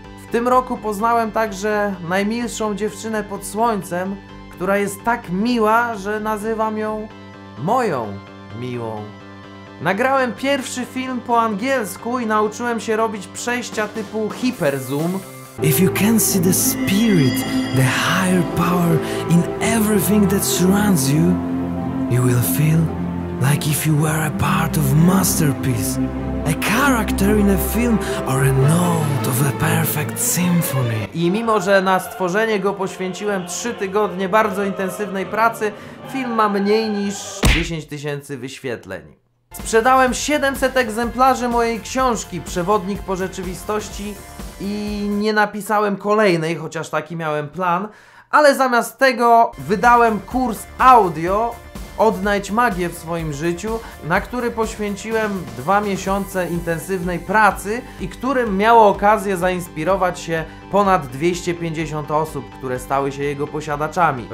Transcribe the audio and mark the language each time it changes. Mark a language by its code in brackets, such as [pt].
[pl] W tym roku poznałem także najmilszą dziewczynę pod słońcem, która jest tak miła, że nazywam ją moją miłą. Nagrałem pierwszy film po angielsku i nauczyłem się robić przejścia typu hyperzoom. [en] If you can see the spirit, the higher power in everything that surrounds you, you will feel like if you were a part of masterpiece, a character in a film or a note of a perfect symphony. [pl] I mimo że na stworzenie go poświęciłem 3 tygodnie bardzo intensywnej pracy, film ma mniej niż 10 tysięcy wyświetleń. Sprzedałem 700 egzemplarzy mojej książki Przewodnik po rzeczywistości i nie napisałem kolejnej, chociaż taki miałem plan, ale zamiast tego wydałem kurs audio Odnajdź magię w swoim życiu, na który poświęciłem 2 miesiące intensywnej pracy i którym miało okazję zainspirować się ponad 250 osób, które stały się jego posiadaczami.